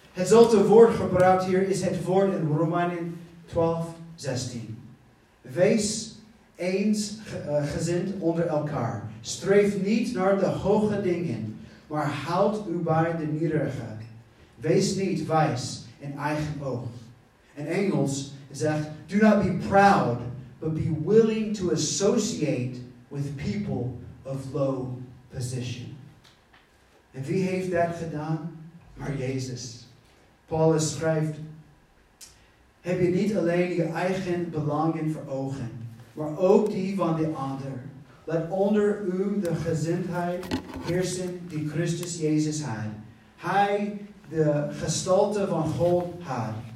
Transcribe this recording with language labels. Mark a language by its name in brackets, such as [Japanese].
[Dutch] Hetzelfde woord gebruikt hier is het woord in Romeinen 12, 16. Wees eens gezind onder elkaar. Streef niet naar de hoge dingen, maar houd u bij de nederige. Wees niet wijs in eigen oog. In Engels zegt, [English] do not be proud, but be willing to associate with people of low position. [Dutch] En wie heeft dat gedaan? Maar Jezus. Paulus schrijft, heb je niet alleen je eigen belangen voor ogen, maar ook die van de ander. Laat onder u de gezindheid heersen die Christus Jezus had. Hij, de gestalte van God, had.